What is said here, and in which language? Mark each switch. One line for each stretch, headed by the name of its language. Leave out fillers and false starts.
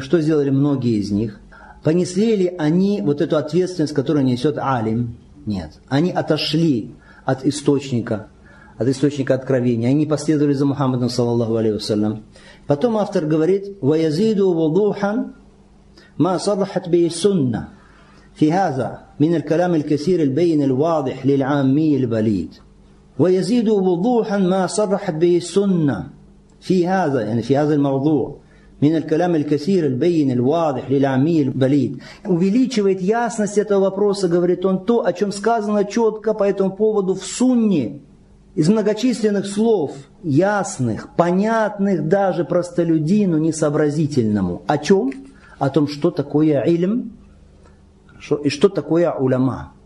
Russian: Что сделали многие из них? Понесли ли они вот эту ответственность, которую несет алим? Нет. Они отошли от источника откровения. Они не последовали за Мухаммадом, саллаллаху алейхи ва саллям. Потом автор говорит, «Ваязиду вудухан».
Arabic: ما صرحت به السنة في هذا من الكلام الكثير البين الواضح للعامي البليد ويزيد وضوحا ما صرحت به السنة في هذا يعني في هذا الموضوع من الكلام الكثير البين الواضح للعامي البليد.
Russian: Увеличивает ясность этого вопроса, говорит он, то, о чем сказано четко по этому поводу в сунне, из многочисленных слов, ясных, понятных даже простолюдину несообразительному. О чем? О том, что такое ильм и что такое уляма.